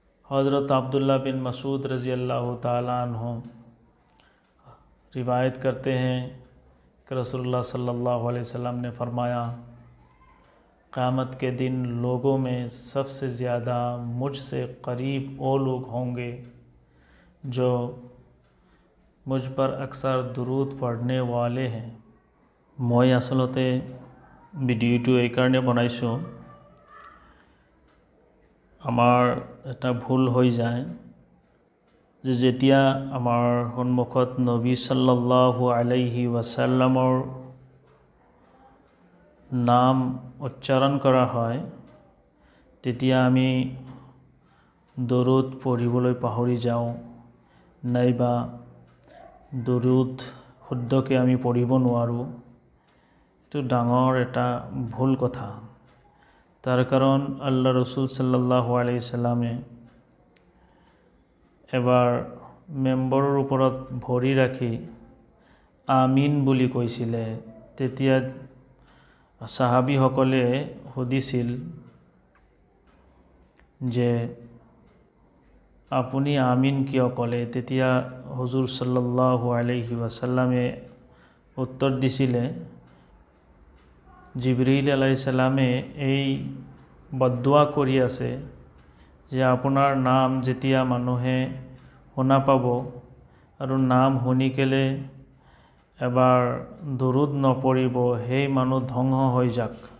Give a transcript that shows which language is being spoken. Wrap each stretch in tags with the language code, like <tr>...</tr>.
<hi>हज़रत अब्दुल्ला बिन मसूद रज़ी अल्लाह ताला अन्हु रिवायत करते हैं कि रसूलुल्लाह सल्लल्लाहु अलैहि वसल्लम ने फरमाया, क़यामत के दिन लोगों में सबसे ज़्यादा मुझसे करीब वो लोग होंगे जो मुझ पर अक्सर दुरूद पढ़ने वाले हैं।</hi> <as>मोए असलते ভিডিওটো এইকাৰণে বনাইছোঁ, আমাৰ এটা ভুল হৈ যায় যে যেতিয়া আমাৰ সন্মুখত নবী ছাল্লাল্লাহু আলাইহি ৱাছাল্লামৰ নাম উচ্চাৰণ কৰা হয় তেতিয়া আমি দৰুদ পঢ়িবলৈ পাহৰি যাওঁ, নাইবা দৰুদ শুদ্ধকৈ আমি পঢ়িব নোৱাৰোঁ। এইটো ডাঙৰ এটা ভুল কথা। তাৰ কাৰণ আল্লাহ ৰাসূল ছাল্লাল্লাহু আলাইহি ছাল্লামে এবাৰ মেম্বৰৰ ওপৰত ভৰি ৰাখি আমিন বুলি কৈছিলে। তেতিয়া চাহাবীসকলে সুধিছিল যে আপুনি আমিন কিয় ক'লে। তেতিয়া হুজুৰ ছাল্লাল্লাহু আলাইহি ৱাছাল্লামে উত্তৰ দিছিলে, জিব্রাইল আলাইহিসসালামে এই বদদোয়া কৰি আছে যে আপোনাৰ নাম যেতিয়া মানুহে শুনা পাব আৰু নাম শুনি কেলে এবাৰ দৰুদ নপৰিব, সেই মানুহ ধ্বংস হৈ যাক।</as>